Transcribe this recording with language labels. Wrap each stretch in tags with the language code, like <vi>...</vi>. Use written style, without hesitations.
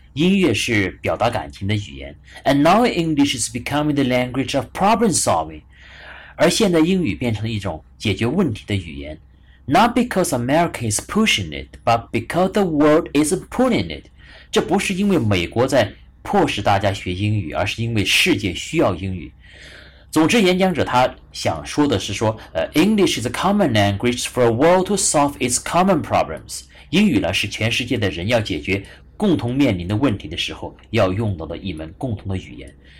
<zh>音乐是表达感情的语言。</zh> <en>And now English is becoming the language of problem solving.</en> <zh>而现在英语变成一种解决问题的语言。</zh> <en>Not because America is pushing it, but because the world is pulling it.</en> <zh>这不是因为美国在迫使大家学英语，而是因为世界需要英语。总之演讲者他想说的是说、</zh> <en>English is a common language for a world to solve its common problems.</en> <zh>英语呢是全世界的人要解决共同面临的问题的时候要用到的一门共同的语言。</zh>